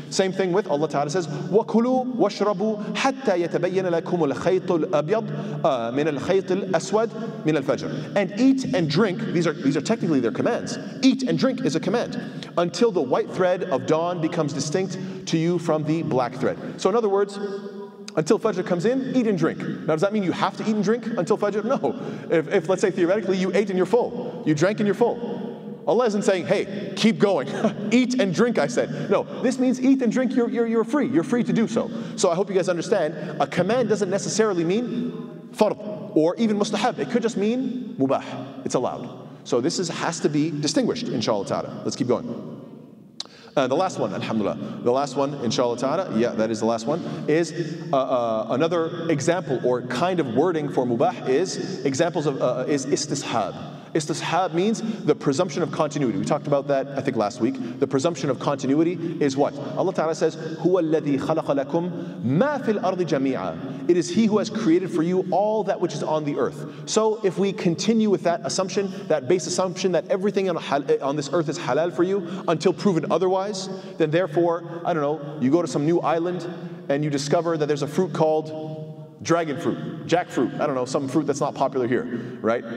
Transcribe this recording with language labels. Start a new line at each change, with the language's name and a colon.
English: Same thing with Allah Ta'ala says,
Arabic: وَكُلُوا وَشْرَبُوا حَتَّى يَتَبَيَّنَ لَكُمُ الْخَيْطُ الْأَبْيَضُ مِنَ الْخَيْطِ الْأَسْوَدِ مِنَ الْفَجْرِ.
English: And eat and drink, these are technically their commands. Eat and drink is a command. Until the white thread of dawn becomes distinct to you from the black thread. So in other words, until Fajr comes in, eat and drink. Now, does that mean you have to eat and drink until Fajr? No. If let's say theoretically, you ate and you're full. You drank and you're full. Allah isn't saying, hey, keep going. Eat and drink, I said. No, this means eat and drink, you're free. You're free to do so. So I hope you guys understand, a command doesn't necessarily mean fard or even mustahab. It could just mean mubah. It's allowed. So this has to be distinguished, inshallah ta'ala. Let's keep going. The last one, alhamdulillah, the last one, inshallah ta'ala, yeah, that is the last one, is another example or kind of wording for mubah is examples of is istishab. Istishab means the presumption of continuity. We talked about that, I think, last week. The presumption of continuity is what? Allah Ta'ala says,
Arabic: هُوَ الَّذِي خَلَقَ لَكُمْ مَا فِي الْأَرْضِ جَمِيعًا.
English: It is He who has created for you all that which is on the earth. So if we continue with that assumption, that base assumption, that everything on this earth is halal for you until proven otherwise, then therefore, I don't know, you go to some new island and you discover that there's a fruit called dragon fruit, jackfruit, I don't know, some fruit that's not popular here, right?